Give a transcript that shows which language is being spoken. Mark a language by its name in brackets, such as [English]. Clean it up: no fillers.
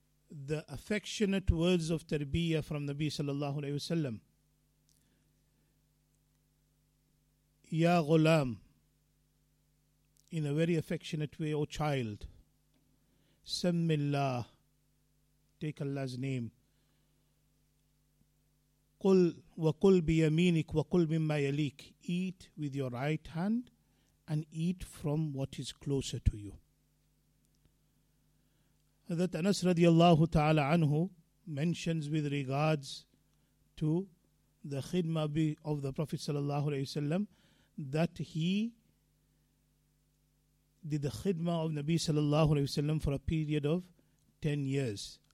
[English] The affectionate words of tarbiyah from Nabi sallallahu alayhi wa sallam. Ya Ghulam, in a very affectionate way, O child, Sammillah, take Allah's name. [Arabic] قل وقل بيمينك وقل مما يليك. [English] Eat with your right hand and eat from what is closer to you. Hazrat Anas radiallahu ta'ala anhu mentions with regards to the khidma of the Prophet sallallahu alayhi wasallam that he did the khidma of Nabi sallallahu alayhi wasallam for a period of 10 years.